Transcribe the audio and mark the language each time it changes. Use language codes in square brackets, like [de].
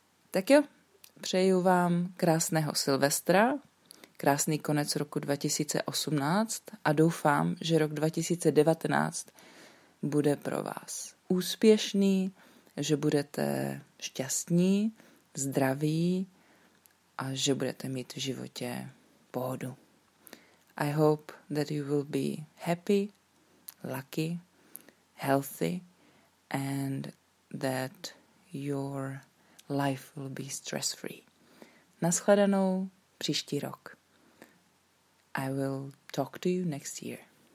[cs] Tak jo, přeju vám krásného Silvestra, krásný konec roku 2018 a doufám, že rok 2019 bude pro vás úspěšný, že budete šťastní, zdraví a že budete mít v životě pohodu. [en] I hope that you will be happy, lucky, healthy, and that your life will be stress-free. [cs] Naschledanou příští rok. [en] I will talk to you next year.